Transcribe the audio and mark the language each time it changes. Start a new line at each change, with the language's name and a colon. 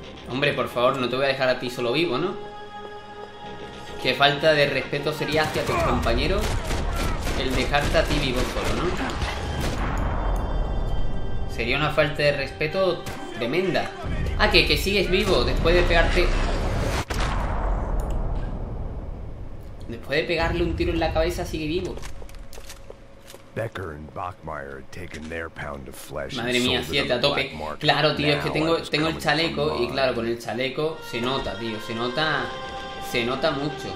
Spanish: Hombre, por favor, no te voy a dejar a ti solo vivo, ¿no? Qué falta de respeto sería hacia tus compañeros el dejarte a ti vivo solo, ¿no? Sería una falta de respeto tremenda. Ah, que sigues vivo después de pegarte... Después de pegarle un tiro en la cabeza, sigue vivo.
English: Becker and Bachmeyer had taken their pound of flesh.
Spanish: Madre mía, siete a tope. Claro, tío, es que tengo el chaleco y claro, con el chaleco se nota, tío, se nota mucho.